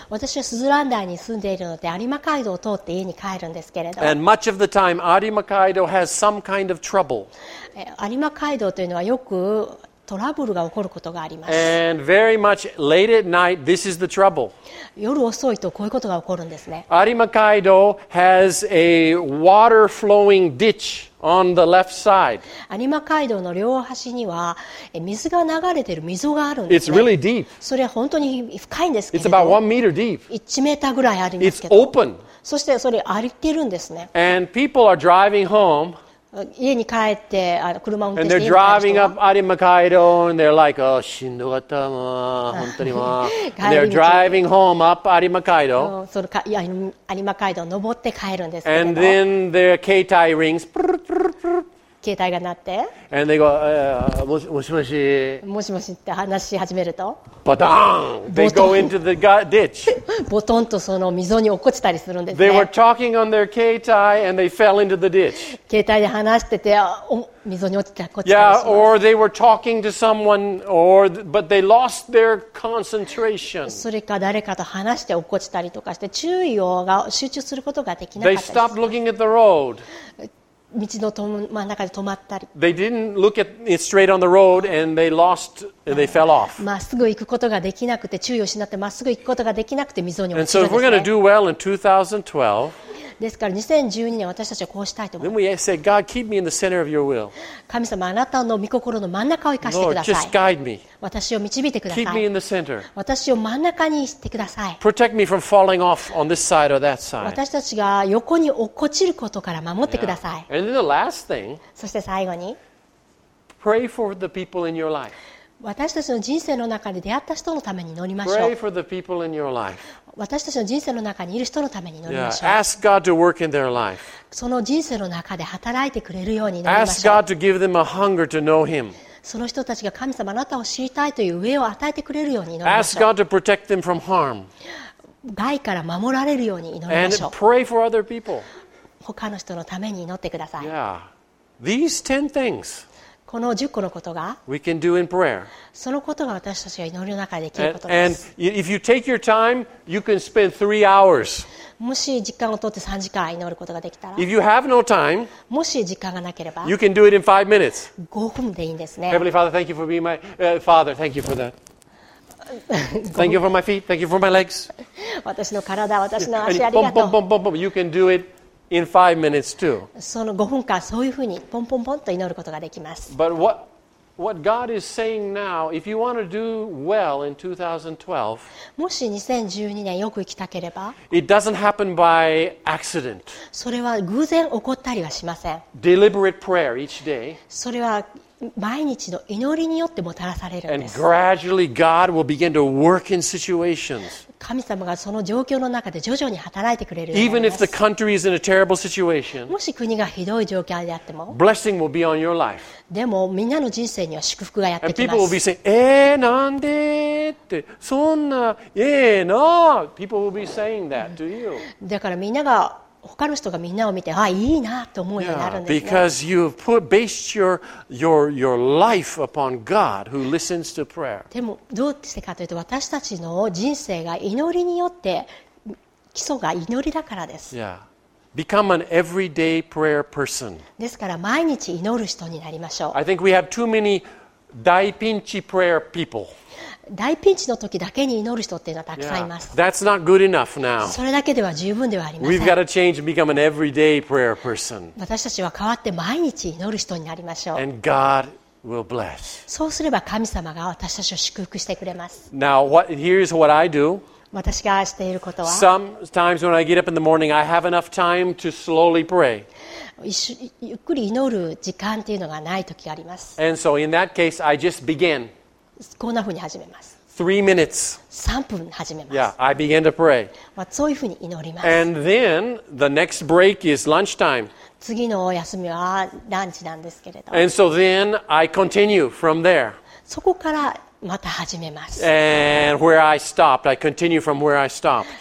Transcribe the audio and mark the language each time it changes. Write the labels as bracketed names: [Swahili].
[Japanese] 私はスズランダイに住んでいるので、アリマカイドを通って家に帰るんですけれど。 [English] And much of the time, Arimakaido has some kind of trouble. [Japanese] アリマカイドというのはよくトラブルが起こることがあります。 [English] And very much late at night, this is the trouble. [Japanese] 夜遅いとこういうことが起こるんですね。 [English] Arimakaido has a water flowing ditch. On the left side. [Japanese] アニマ街道の両端には水が流れている溝があるんです [English] ね。It's really deep. [Japanese] それは本当に深いんですけれど。 [English] It's about one meter deep. [Japanese] 1メーターぐらいありますけど。 [English] It's open. [Japanese] そしてそれ歩いてるんですね。 [English] And people are driving home. [Japanese] 家に帰って車を運転して [English] And they're driving up Arimakaido and they're like, oh, [Japanese] しんどかったもう本当にもう [English] They're driving home up Arimakaido. [Japanese] そのか、いや、Arimakaido を登って帰るんですけど。 [English] And then their 携帯 rings. [Japanese] 携帯が鳴って。 [English] And they go, もしもし。 [Japanese] もしもしって話し始めると。 [English] バタン They go into the ditch. [Japanese] ボトンとその溝に落っこちたりするんですね。 [English] They were talking on their 携帯 and they fell into the ditch. [Japanese] 携帯で話してて、溝に落ちたり、落ちたりします。 [English] Yeah, or they were talking to someone, or, but they lost their concentration. [Japanese] それか誰かと話して落っこちたりとかして、注意を集中することができなかったりします。 [English] They stopped looking at the road. [Japanese] 道の真ん中で止まったり。 [English] They didn't look at it straight on the road and they lost, they fell off. [Japanese] まっすぐ行くことができなくて、注意を失ってまっすぐ行くことができなくて溝に落ちるんですね。 [English] And so if we're going to do well in 2012, [Japanese] ですから2012年私たちはこうしたいと思います。 [English] Then we say, God, keep me in the center of your will. [Japanese] 神様、あなたの御心の真ん中を生かしてください。 [English] Lord, just guide me. [Japanese] 私を導いてください。 [English] Keep me in the center. [Japanese] 私を真ん中にしてください。 [English] Protect me from falling off on this side or that side. [Japanese] 私たちが横に落っこちることから守ってください。 [English] Yeah. And then the last thing, [Japanese] そして最後に、 [English] Pray for the people in your life. [Japanese] 私たちの人生の中で出会った人のために祈りましょう。 [English] Pray for the people in your life. [Japanese] 私たちの人生の中にいる人のために祈りましょう。 [English] Yeah, ask God to work in their life. [Japanese] その人生の中で働いてくれるように祈り [English] ましょう。Ask God to give them a hunger to know Him. [Japanese] その人たちが神様あなたを知りたいという飢えを与えてくれるように祈りましょう。 [English] Ask God to protect them from harm. [Japanese] 害から守られるように祈りましょう。 [English] And pray for other people. [Japanese] 他の人のために祈ってください。 [English] These 10 things. [Japanese] この10個のことが [English] We can do in prayer. [Japanese] そのことが私たちが祈りの中でできることです。 [English] And if you take your time, you can spend 3 hours. [Japanese] もし時間を取って3時間祈ることができたら [English] If you have no time, [Japanese] もし時間がなければ [English] you can do it in 5 minutes. [Japanese] 5分でいいんですね。 [English] Heavenly Father, thank you for being my Father. Thank you for that. Thank you for my feet. Thank you for my legs. [Japanese] 私の体、私の足、ありがとう。 [English] Boom, boom, boom, boom, boom. You can do it. In 5 minutes too. [Japanese] その5分間そういうふうにポンポンポンと祈ることができます。 [English] But what God is saying now, if you want to do well in 2012, [Japanese] もし2012年よく生きたければ、 [English] it doesn't happen by accident. [Japanese] それは偶然起こったりはしません。 [English] Deliberate prayer each day. [Japanese] それは毎日の祈りによってもたらされるんです。 [English] And gradually God will begin to work in situations. [Japanese] 神様がその状況の中で徐々に働いてくれるようになります。もし国がひどい状況であっても、 [English] Blessing will be on your life. [Japanese] でもみんなの人生には祝福がやってきます。 [English] And people will be saying, [Japanese] なんでってそんな、な、 [English] people will be saying that to you. [Japanese] だからみんなが他の人がみんなを見て、あ、いいなと思うようになるんですね。 [English] Yeah, because you've put, based your life upon God who listens to prayer. [Japanese] でも、どうしてかというと、私たちの人生が祈りによって、基礎が祈りだからです。 [English] Yeah. Become an everyday prayer person. [Japanese] ですから、毎日祈る人になりましょう。 [English] I think we have too many 大ピンチ prayer people. [Japanese] 大ピンチの時だけに祈る人っていうのはたくさんいます。 [English] Yeah, that's not good enough now. [Japanese] それだけでは十分ではありません。 [English] We've got to change and become an everyday prayer person. [Japanese] 私たちは変わって毎日祈る人になりましょう。 [English] And God will bless. [Japanese] そうすれば神様が私たちを祝福してくれます。 [English] Now, here's what I do. [Japanese] 私がしていることは、 [English] Sometimes when I get up in the morning, I have enough time to slowly pray. [Japanese] ゆっくり祈る時間っていうのがない時があります。 [English] And so in that case, I just begin. [Japanese] こんなふうに始めます。 [English] 3 minutes. [Japanese] 3分始めます。 [English] Yeah, I begin to pray. [Japanese] まあ、そういうふうに祈ります。 [English] And then the next break is lunchtime. [Japanese] 次の休みはランチなんですけれど。 [English] And so then I continue from there. [Japanese] そこからまた始めます。 [English] And where I stopped, I continue from where I stopped.